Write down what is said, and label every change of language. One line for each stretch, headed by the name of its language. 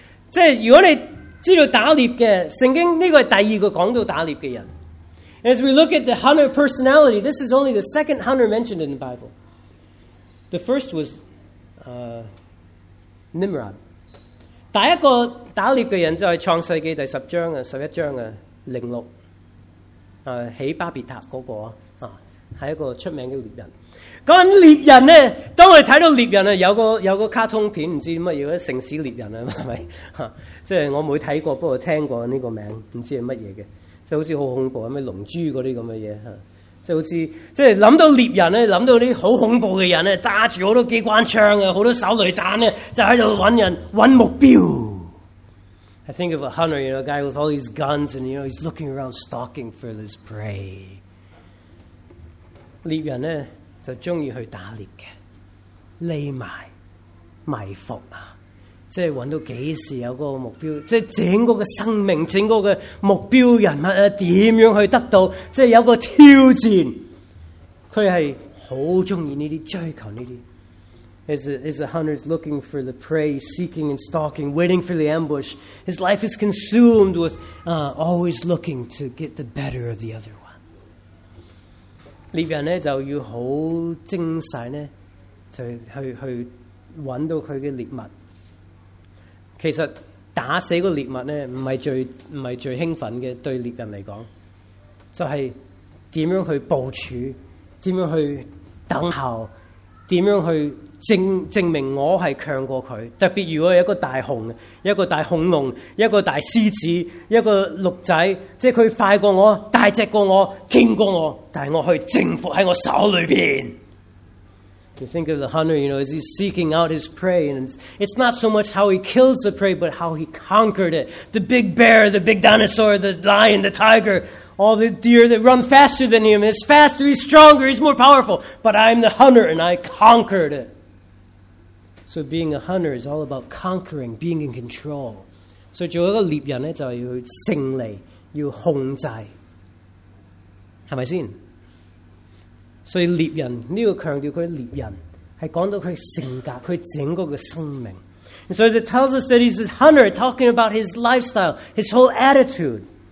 Chinese: 即系如果你知道打猎嘅圣经，呢个系第二个讲到打猎嘅人。
English: As we look at the hunter personality, this is only the second hunter mentioned in the Bible. The first was, Nimrod.
Chinese: 第一个打猎的人就是创世纪第十章十一章的零六，起巴别塔那个，是一个出名的猎人。嗰阵猎人咧，当我哋睇到猎人啊，有个卡通片，唔知乜嘢，城市猎人啊，系咪？即系我冇睇过，不过听过呢个名字，唔知系乜嘢嘅，即系好似好恐怖，咩龙珠嗰啲咁嘅嘢，即系好似即系谂到猎人咧，谂到啲好恐怖嘅人咧，揸住好多机关枪啊，好多手雷弹咧，就喺度揾人揾目标。
English: I think of a hunter, you know, a guy with all these guns, and you know, he's looking around, stalking for his prey.
Chinese: 猎人咧就中意去打猎嘅，匿埋埋伏啊，即系揾到几时有个目标，即系整个嘅生命，整个嘅目标人物啊，点样去得到，即系有个挑战。佢系好中意呢啲，追求呢啲。
English: As a hunter is looking for the prey, seeking and stalking, waiting for the ambush. His life is consumed with always looking to get the better of the other one.
Chinese: 猎人咧就要好精细咧，就去揾到佢嘅猎物。其实打死个猎物咧，唔系最兴奋嘅，对猎人嚟讲，就系点样去部署，点样去等候，点样去。證明我是強過他，特別如果有一個大熊、一個大恐龍、一個大獅子、一個鹿仔，即是他快過我、大隻過我、勁過我，但是我去征服在我手裏面。
English: You think of the hunter, you know, as he's seeking out his prey, and it's not so much how he kills the prey, but how he conquered it. The big bear, the big dinosaur, the lion, the tiger, all the deer that run faster than him, is faster, he's stronger, he's more powerful, but I'm the hunter and I conquered it. So being a hunter is all about conquering, being in control.
Chinese: So 做一个猎人咧，就要胜利，要控制，系咪先？所以猎人呢个强调佢猎人系讲到佢性格，佢整个嘅生命。
English: And so as it tells us that he's a hunter, talking about his lifestyle, his whole attitude.